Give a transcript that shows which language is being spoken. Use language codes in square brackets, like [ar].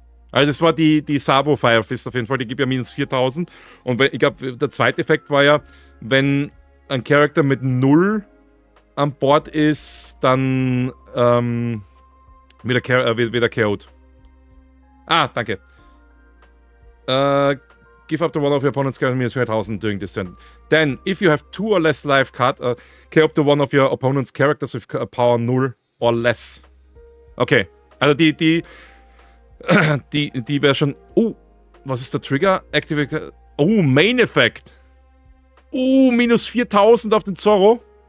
[de] Also das war die Sabo Fire Fist auf jeden Fall. Die gibt ja minus 4000. Und ich glaube, der zweite Effekt war ja, wenn ein Charakter mit 0 an Bord ist, dann wieder KO'd. Ah, danke. [en] Give up to one of your opponent's character minus 4000 during this turn. Then, if you have two or less life card, give up to one of your opponent's characters with power 0 or less. [de] Okay, also die wäre schon. Was ist der Trigger? Activate. Main Effect. Minus 4000 auf den Zorro.